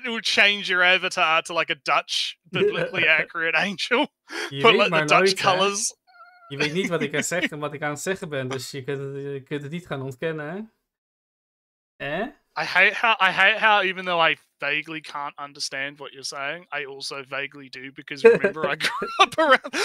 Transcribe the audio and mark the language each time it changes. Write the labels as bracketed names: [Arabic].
[English] change your avatar to like a Dutch biblically accurate angel. Put like the Dutch colors. [Dutch] Je weet niet wat ik aan zeg en wat ik aan het zeggen ben, dus je kunt het niet gaan ontkennen, hè? Eh? [English] I hate how even though I vaguely can't understand what you're saying, I also vaguely do, because remember I grew up around.